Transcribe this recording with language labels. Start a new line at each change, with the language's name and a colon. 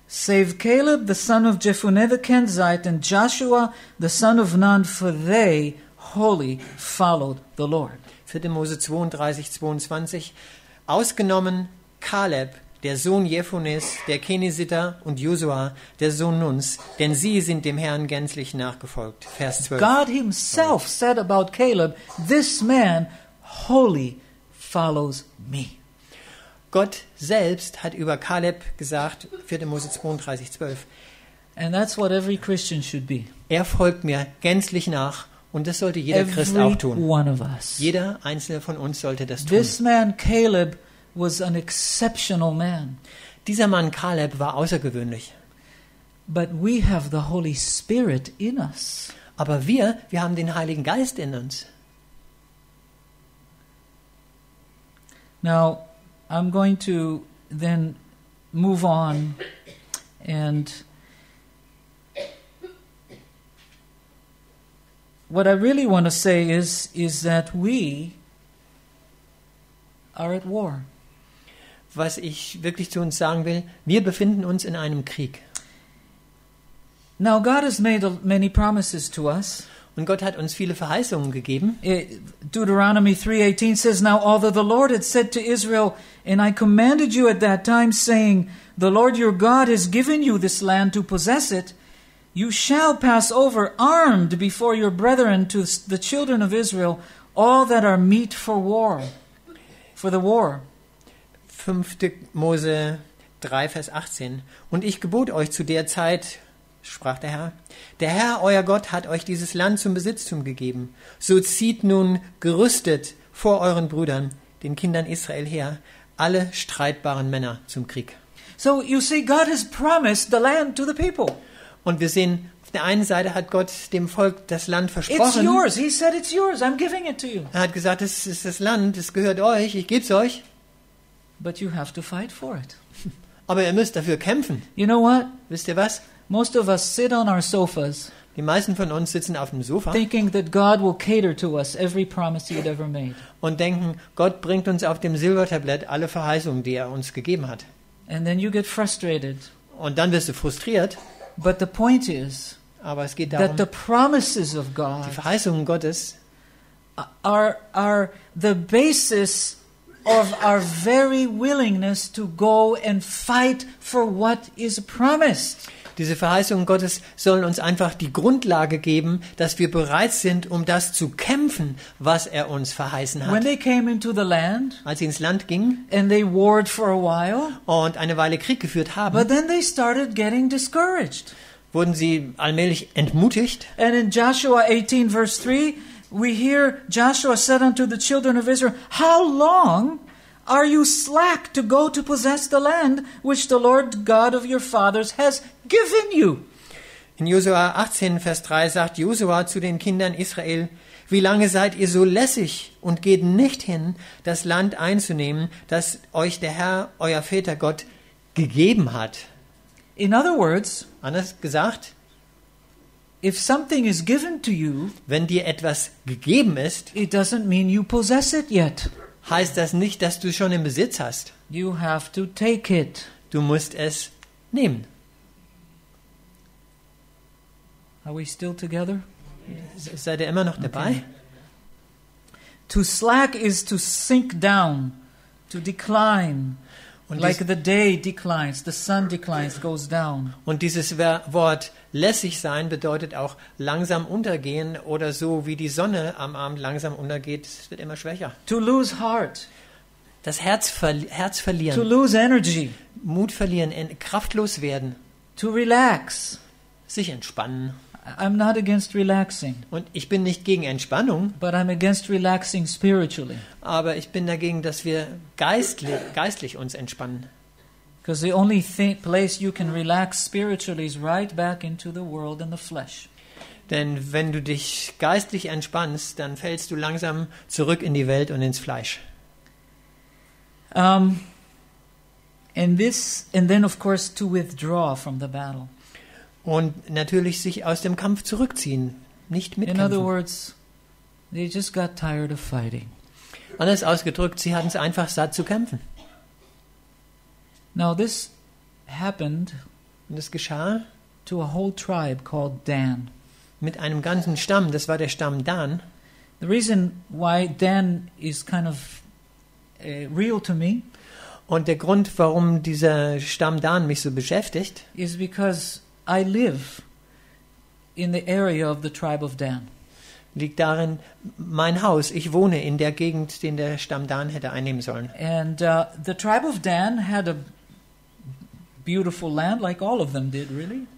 English: Save Caleb, the son of Jephunneh the Kenzite, and Joshua, the son of Nun, for they wholly followed the Lord.
German: 4. Mose 32, 22. Ausgenommen Caleb, der Sohn Jephunnes, der Kenesiter, und Josua, der Sohn Nuns, denn sie sind dem Herrn gänzlich nachgefolgt. Vers 12.
English: God himself said about Caleb, this man wholly follows me.
German: Gott selbst hat über Caleb gesagt, 4. Mose 32, 12.
English: And that's what every Christian should be.
German: Er folgt mir gänzlich nach. Und das sollte jeder Christ auch tun.
English: One of us.
German: Jeder einzelne von uns sollte das tun.
English: This man Caleb was an exceptional man.
German: Dieser Mann Caleb war außergewöhnlich.
English: But we have the Holy Spirit in us.
German: Aber wir haben den Heiligen Geist in uns.
English: Now, I'm going to then move on and what I really want to say is that we are at war.
German: Was ich wirklich zu uns sagen will, wir befinden uns in einem Krieg.
English: Now God has made many promises to us.
German: Und Gott hat uns viele Verheißungen gegeben.
English: Deuteronomy 3:18 says, Now although the Lord had said to Israel, and I commanded you at that time, saying, The Lord your God has given you this land to possess it, you shall pass over armed before your brethren to the children of Israel all that are meet for war. For the war.
German: 5. Mose 3, Vers 18. Und ich gebot euch zu der Zeit, sprach der Herr, der Herr, euer Gott, hat euch dieses Land zum Besitztum gegeben. So zieht nun gerüstet vor euren Brüdern, den Kindern Israel her, alle streitbaren Männer zum Krieg.
English: So you see, God has promised the land to the people.
German: Und wir sehen, auf der einen Seite hat Gott dem Volk das Land versprochen.
English: It's yours. He said it's yours. I'm giving it to you.
German: Er hat gesagt, es ist das Land, es gehört euch, ich gebe es euch.
English: But you have to fight for it.
German: Aber ihr müsst dafür kämpfen.
English: You know what?
German: Wisst ihr was?
English: Most of us sit on our sofas.
German: Die meisten von uns sitzen auf dem Sofa.
English: Thinking that God will cater to us every promise he had ever made.
German: Und denken, Gott bringt uns auf dem Silbertablett alle Verheißungen, die er uns gegeben hat.
English: And then you get frustrated.
German: Und dann wirst du frustriert.
English: But the point is,
German: aber es geht darum,
English: that the promises of God,
German: die Verheißungen Gottes,
English: are the basis of our very willingness to go and fight for what is promised.
German: Diese Verheißungen Gottes sollen uns einfach die Grundlage geben, dass wir bereit sind, um das zu kämpfen, was er uns verheißen hat.
English: When they came into the land,
German: als sie ins Land gingen,
English: and they warred for a while,
German: und eine Weile Krieg geführt haben,
English: but then they started getting discouraged.
German: Wurden sie allmählich entmutigt.
English: And in Joshua 18, verse 3, we hear Joshua said unto the children of Israel, How long are you slack to go to possess the land which the Lord God of your fathers has given you?
German: In Josua 18, Vers 3 sagt Josua zu den Kindern Israel, Wie lange seid ihr so lässig und geht nicht hin, das Land einzunehmen, das euch der Herr, euer Väter Gott, gegeben hat?
English: In other words,
German: anders gesagt,
English: If something is given to you,
German: wenn dir etwas gegeben ist,
English: it doesn't mean you possess it yet.
German: Heißt das nicht, dass du schon im Besitz hast?
English: You have to take it.
German: Du musst es nehmen.
English: Are we still together?
German: Seid ihr immer noch dabei?
English: Okay. To slack is to sink down, to decline. Like the day declines, the sun declines, goes down.
German: Und dieses Wort lässig sein bedeutet auch langsam untergehen oder so wie die Sonne am Abend langsam untergeht, es wird immer schwächer.
English: To lose heart.
German: Das Herz verlieren.
English: To lose energy.
German: Mut verlieren, kraftlos werden.
English: To relax.
German: Sich entspannen.
English: I'm not against relaxing.
German: Und ich bin nicht gegen Entspannung.
English: But I'm against relaxing spiritually.
German: Aber ich bin dagegen, dass wir geistlich uns entspannen.
English: Because the only place you can relax spiritually is right back into the world and the flesh.
German: Denn wenn du dich geistlich entspannst, dann fällst du langsam zurück in die Welt und ins Fleisch.
English: And then of course to withdraw from the battle.
German: Und natürlich sich aus dem Kampf zurückziehen, nicht mitkämpfen.
English: In other words, they just got tired of fighting.
German: Anders ausgedrückt, sie hatten es einfach satt zu kämpfen.
English: Now this happened.
German: Und es geschah
English: to a whole tribe called Dan.
German: Mit einem ganzen Stamm. Das war der Stamm Dan.
English: The reason why Dan is kind of real to me.
German: Und der Grund, warum dieser Stamm Dan mich so beschäftigt,
English: is because I live in the area of the tribe of Dan.
German: Liegt darin mein Haus. Ich wohne in der Gegend, den der Stamm Dan hätte einnehmen sollen.
English: And the tribe of Dan had a beautiful land, like all of them did, really.